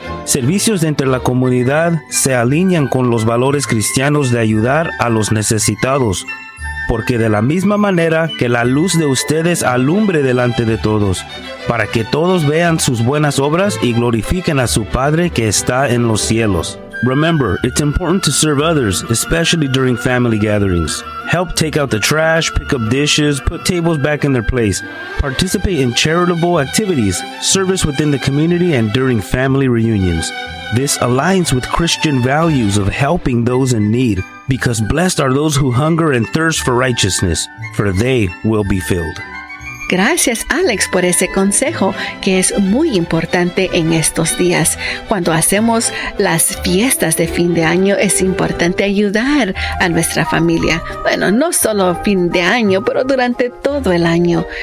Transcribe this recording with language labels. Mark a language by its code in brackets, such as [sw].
[es] Servicios dentro de la comunidad se alinean con los valores cristianos de ayudar a los necesitados, porque de la misma manera que la luz de ustedes alumbre delante de todos, para que todos vean sus buenas obras y glorifiquen a su Padre que está en los cielos. [en] Remember, it's important to serve others, especially during family gatherings. Help take out the trash, pick up dishes, put tables back in their place. Participate in charitable activities, service within the community, and during family reunions. This aligns with Christian values of helping those in need, because blessed are those who hunger and thirst for righteousness, for they will be filled. [es] Gracias, Alex, por ese consejo que es muy importante en estos días. Cuando hacemos las fiestas de fin de año, es importante ayudar a nuestra familia. Bueno, no solo fin de año, pero durante todo el año.